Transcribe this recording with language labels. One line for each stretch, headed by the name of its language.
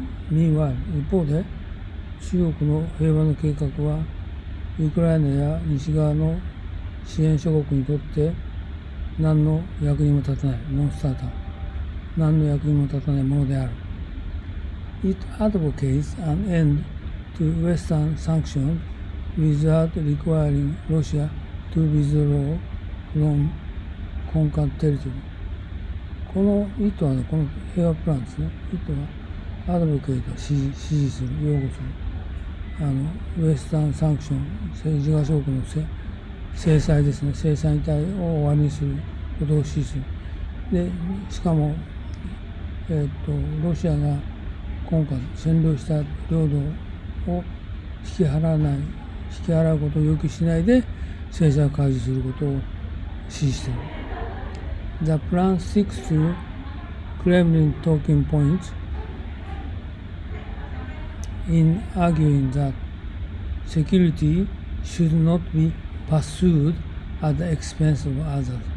English: Meanwhile,
Japanese: 一方で、中国の平和の計画は、ウクライナや西側の支援諸国にとって何の役にも立たない、ノンスターター。何の役にも立たないものである。
English: It advocates an end to Western sanctions without requiring Russia to withdraw from conquered territory.
Japanese: この意図は、この平和プランですね。意図は、アドボケイト、支持する、擁護する。ウェスタンサンクション、政治家諸国の制裁ですね、制裁に対を終わりにすることを支持する。で、しかも、ロシアが今回占領した領土を引き払わない、引き払うことを要求しないで、制裁を解除することを支持している。
English: The plan sticks to Kremlin talking points. In arguing that security should not be pursued at the expense of others.